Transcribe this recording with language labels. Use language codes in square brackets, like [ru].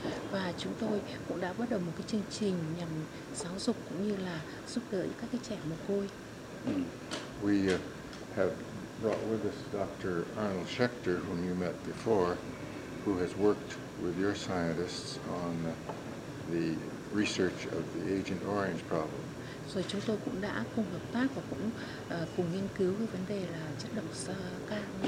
[vi] Và chúng tôi cũng đã bắt đầu một cái chương trình nhằm giáo dục cũng như là giúp đỡ các cái trẻ mồ côi. [en] We have brought with us Dr. Arnold Schechter, whom you met before, who has worked with your scientists on the research of the Agent Orange problem. [vi] Rồi chúng tôi cũng đã cùng hợp tác và cũng cùng nghiên cứu cái vấn đề là chất độc da cam.